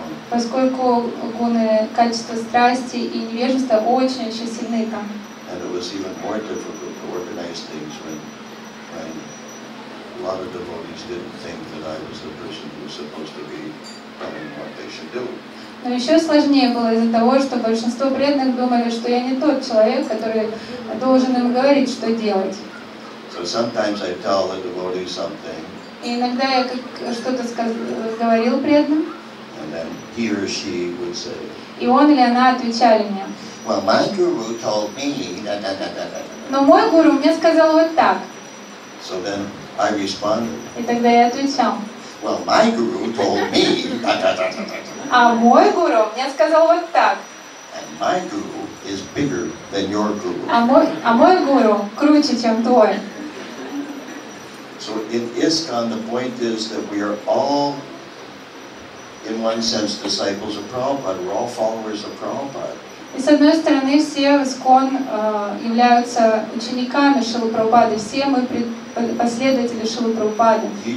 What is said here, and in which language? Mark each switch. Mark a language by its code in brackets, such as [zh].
[ru] Поскольку гуны, качество страсти и невежества очень-очень сильны там. [en] And it was even more difficult to organize things when a lot of devotees didn't think that I was the person who was supposed to be telling what they should do. [ru] Но еще сложнее было из-за того, что большинство преданных думали, что я не тот человек, который должен им говорить, что делать. [en] So sometimes I tell the devotee something. [ru] И иногда я что-то говорил преданным. [en] And then he or she would say. [ru] И он или она отвечали мне. [en] Well, my guru told me. [ru] Но мой гуру мне сказал вот так. [en] So then I responded. [ru] И тогда я отвечал. [en] Well, my guru told me. [ru] А мой гуру мне сказал вот так. [en] And my guru is bigger than your guru. [ru] А мой гуру круче, чем твой. [en] So in ISKCON, the point is that we are all, in one sense, disciples of Prabhupada. We're all followers of Prabhupada. [ru] И с одной стороны, все ИСККОН являются учениками Шрилы Прабхупады. Все мы последователи Шрилы Прабхупады.